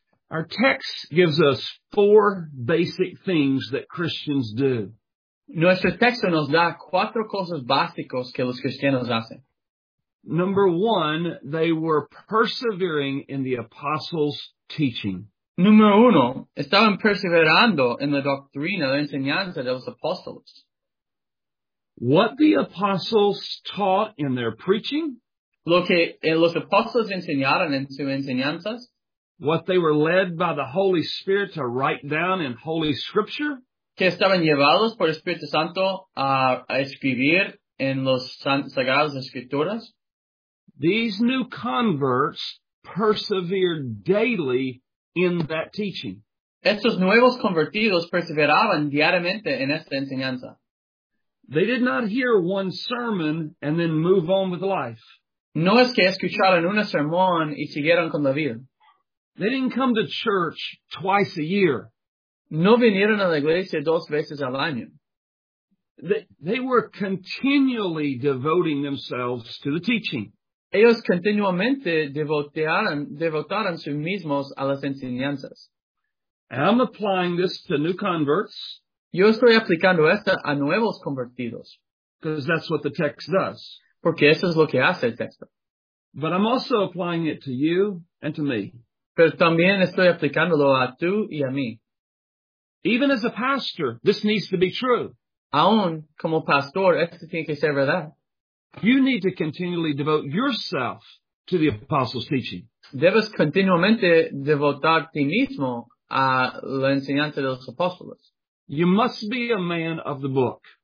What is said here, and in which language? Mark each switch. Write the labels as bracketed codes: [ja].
[en] Our text gives us 4 basic things that Christians do. [es] Nuestro texto nos da 4 cosas básicas que los cristianos hacen. [en] Number 1, they were persevering in the apostles' teaching. [es] Número 1, estaban perseverando en la doctrina, la enseñanza de los apóstoles. [en] What the apostles taught in their preaching? [es] Lo que los apóstoles enseñaron en sus enseñanzas. [en] What they were led by the Holy Spirit to write down in Holy Scripture. [es] Que estaban llevados por el Espíritu Santo a escribir en los sagrados escrituras. [en] These new converts persevered daily in that teaching. [es] Estos nuevos convertidos perseveraban diariamente en esta enseñanza. [en] They did not hear one sermon and then move on with life. [es] No es que escucharon una sermón y siguieron con la vida. [en] They didn't come to church twice a year. [es] No vinieron a la iglesia dos veces al año. [en] They were continually devoting themselves to the teaching. [es] Ellos continuamente devotaron sí mismos a las enseñanzas. [en] I'm applying this to new converts. [es] Yo estoy aplicando esto a nuevos convertidos. [en] Because that's what the text does. [es] Porque eso es lo que hace el texto. [en] But I'm also applying it to you and to me. [es] Pero también estoy aplicándolo a tú y a mí. [en] Even as a pastor, this needs to be true. [es] Aún como pastor, esto tiene que ser verdad. [en] You need to continually devote yourself to the apostles' teaching. [es] Debes continuamente devotar ti mismo a la enseñanza de los apóstoles. [en] You must be a man of the book.